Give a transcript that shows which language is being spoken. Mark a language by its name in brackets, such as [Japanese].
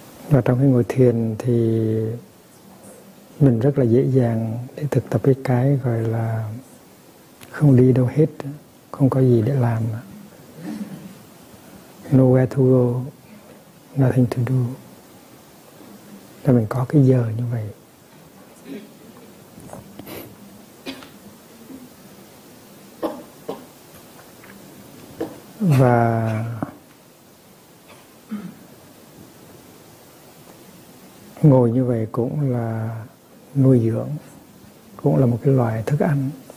[Vietnamese] Và trong cái ngồi thiền thì mình rất là dễ dàng để thực tập cái gọi là không đi đâu hết, không có gì để làm. [English] Nowhere to go, nothing to do. [Vietnamese] Là mình có cái giờ như vậy. Và ngồi như vậy cũng là nuôi dưỡng, cũng là một cái loại thức ăn.